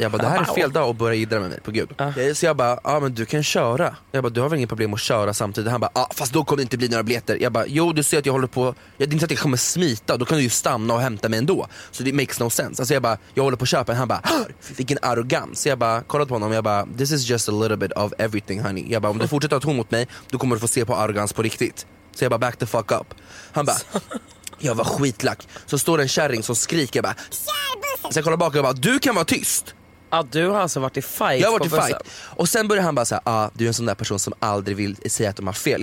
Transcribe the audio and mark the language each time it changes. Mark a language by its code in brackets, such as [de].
[sv] Jag bara, det här är fel dag att börja jiddra med mig på Gud. Så jag bara, ja men du kan köra. Jag bara, du har väl inget problem att köra samtidigt. Han bara, ja fast då kommer det inte bli några biljetter. Jag bara, jo du ser att jag håller på, det är inte att jag kommer smita. Då kan du ju stanna och hämta mig ändå. Så det [en] makes no sense. [sv] Alltså jag bara, jag håller på att köpa. Han bara, vilken arrogans. Jag bara, kollade på honom. Jag bara, [en] this is just a little bit of everything honey. [sv] Jag bara, om du fortsätter att ha ton mot mig, då kommer du få se på arrogans på riktigt. Så jag bara, [en] back the fuck up. [sv] Han bara, jag var skitlack. Så står en kärring som skriker bara, kärbussen. Sen kollar bak och jag bara, du kan vara tyst. Ja, du har alltså varit i fight. Jag har varit i fight. Och sen börjar han bara säga, ah, du är en sån där person som aldrig vill säga att de har fel.